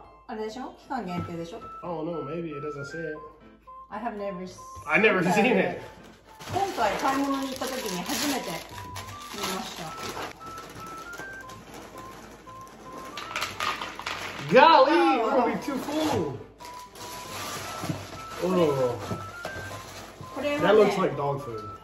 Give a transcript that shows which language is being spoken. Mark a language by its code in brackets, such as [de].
[en] This is a 期間限定, right? I don't know, maybe it doesn't say it. I have never seen it. I've never seen it. [ja] 今回買い物に行った時に初めて見ました。 [en] Golly, it's gonna be too cool. Oh, that looks like dog food.